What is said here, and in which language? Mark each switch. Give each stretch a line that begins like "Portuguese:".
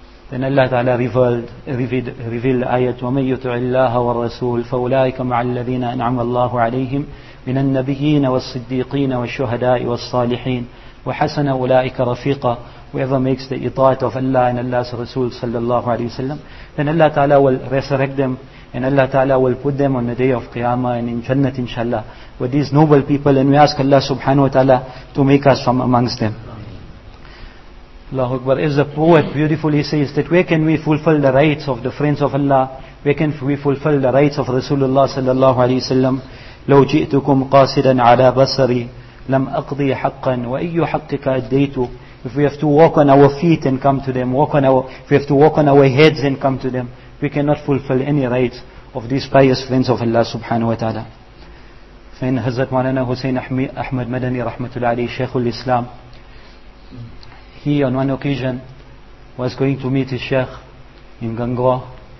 English: Then Allah ta'ala revealed the ayat,
Arabic: وَمَنْ يُطِعِ اللَّهَ وَالرَّسُولِ فَأُولَٰئِكَ مَعَ الَّذِينَ أَنْعَمَ اللَّهُ عَلَيْهِمْ مِنَ النَّبِيِّينَ وَالصِّدِّيقِينَ وَالشُّهَدَاءِ وَالصَّالِحِينَ وَحَسَنَ أُولَٰئِكَ رَفِيقًا.
English: Whoever makes the itaat of Allah and Allah's Rasul sallallahu alayhi wa sallam, then Allah ta'ala will resurrect them, and Allah ta'ala will put them on the day of Qiyamah and in Jannah inshallah with these noble people. And we ask Allah subhanahu wa ta'ala to make us from amongst them. Allahu Akbar. As the poet beautifully says, that where can we fulfill the rights of the friends of Allah? Where can we fulfill the rights of Rasulullah sallallahu alayhi wa sallam?
Arabic: لو جئتكم قاصدا على بصري لم أقضي حقا وأي حقك أديت.
English: If we have to walk on our feet and come to them, if we have to walk on our heads and come to them, we cannot fulfill any rights of these pious friends of Allah subhanahu wa ta'ala. Fain Hazrat Maulana Hussein Ahmad Madani rahmatullah alayhi, Shaykhul Islam, he on one occasion was going to meet his Shaykh in Gangwa.